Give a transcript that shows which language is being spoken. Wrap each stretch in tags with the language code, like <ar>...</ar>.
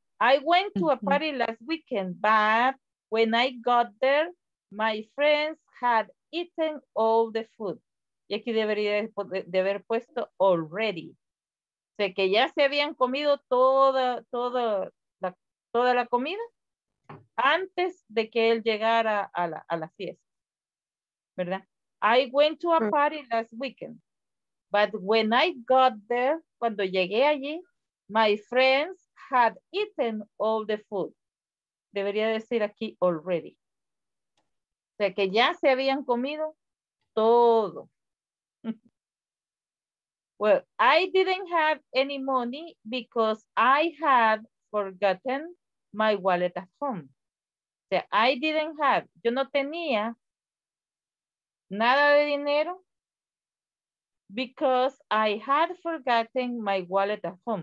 <en>I went to a party last weekend, but when I got there, my friends had eaten all the food.</en> <es>Y aquí debería de haber puesto already. O sea, que ya se habían comido toda la comida antes de que él llegara a la fiesta. ¿Verdad?</es> <en>I went to a party last weekend, but when I got there,</en> <es>cuando llegué allí,</es> <en>my friends had eaten all the food.</en> <es>Debería decir aquí already. O sea, que ya se habían comido todo.</es> <en>Well, I didn't have any money because I had forgotten my wallet at home.</en> <es>O sea,</es> <en>I didn't have,</en> <es>yo no tenía nada de dinero</es> <en>because I had forgotten my wallet at home.</en>